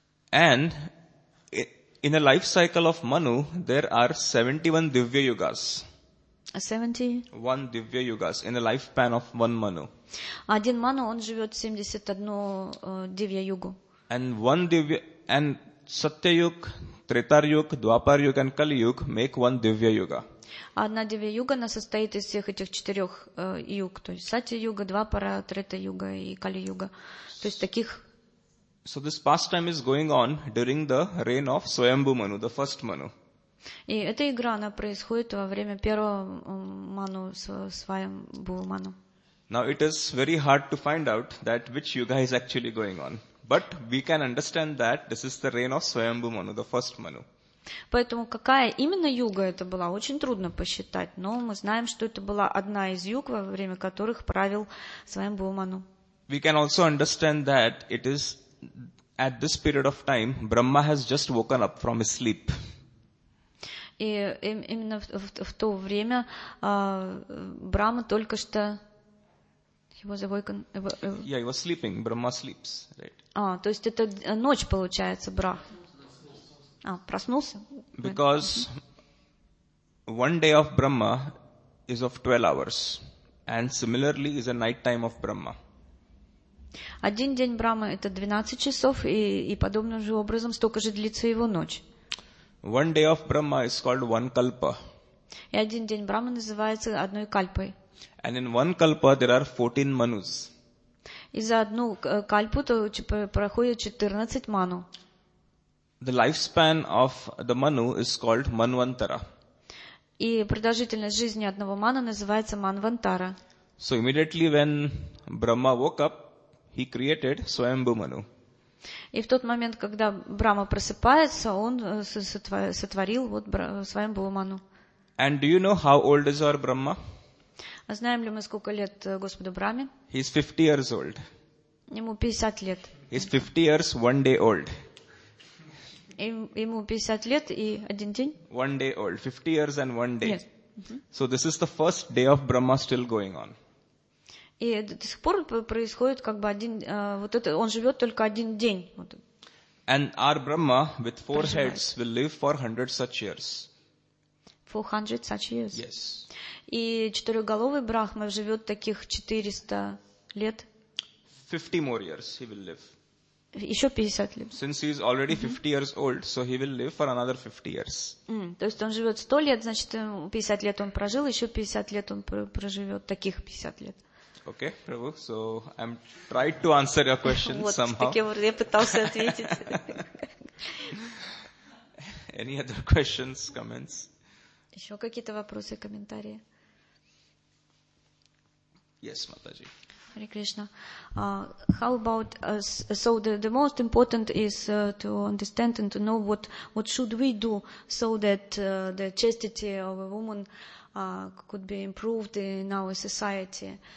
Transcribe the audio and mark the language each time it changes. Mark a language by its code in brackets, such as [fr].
[en] And in a life cycle of Manu, there are 71 Divya Yugas. 71 Divya Yugas in the lifespan of one Manu. [ru] Один Ману, он живет 71 Divya Yugu. [en] And one Divya, and Satya Yug, Tretar Yug, Dwapar Yug and Kali Yug make one Divya Yuga. [ru] А одна Диви Юга, она состоит из всех этих четырех юг, то есть Сати Юга, Двапара, Трета Юга и Кали Юга. То есть таких... [en] So this pastime is going on during the reign of Swayambhu Manu, the first Manu. [ru] И эта игра, она происходит во время первого Ману, Свайамбу Ману. [en] Now it is very hard to find out that which Yuga is actually going on. But we can understand that this is the reign of Swayambhu Manu, the first Manu. [ru] Поэтому какая именно юга это была, очень трудно посчитать. Но мы знаем, что это была одна из юг, во время которых правил Свайамбу Ману. [en] We can also understand that it is at this period of time, Brahma has just woken up from his sleep. [ru] И именно в то время Брама только что... [en] He was awakened. Yeah, he was sleeping. Brahma sleeps, right? [ru] А, то есть это ночь получается, Брах. А, проснулся. [en] Because one day of Brahma is of 12 hours, and similarly is a night time of Brahma. [ru] Один день Брамы это 12 часов, и подобным же образом столько же длится его ночь. [en] One day of Brahma is called one kalpa. [ru] И один день Брамы называется одной кальпой. [en] And in one kalpa there are 14 manus. [ru] И за одну кальпу то проходит 14 ману. [en] The lifespan of the manu is called manvantara. [ru] И продолжительность жизни одного мана называется манвантара. [en] So immediately when Brahma woke up, he created Swayambhu Manu. [ru] И в тот момент, когда Брама просыпается, он сотворил вот Свайамбу Ману. [en] And do you know how old is our Brahma? [ru] А знаем ли мы, сколько лет Господу Браме? [en] He's 50 years old. [ru] Ему 50 лет. [en] He's 50 years, one day old. [ru] Ему 50 лет и один день. [en] One day old. 50 years and one day. So this is the first day of Brahma still going on. [ru] И до сих пор происходит как бы один... Вот это, он живет только один день. [en] And our Brahma with four heads will live for 100 such years. 400 such years. Yes. [ru] И четырехголовый Брахма живет таких 400 лет. [en] 50 more years he will live. [ru] Еще 50 лет. [en] Since he is already 50 years old, so he will live for another 50 years. [ru] То есть он живет 100 лет, значит 50 лет он прожил, еще 50 лет он проживет таких 50 лет. [en] Okay, Prabhu. So I'm trying to answer your question [ru] вот, [en] somehow. [ru] Таким образом, я пытался ответить. [en] Any other questions, comments? [ru] Еще какие-то вопросы, комментарии? [en] Yes, Mataji. Hare Krishna. How about so the most important is to understand and to know what should we do so that the chastity of a woman could be improved in our society.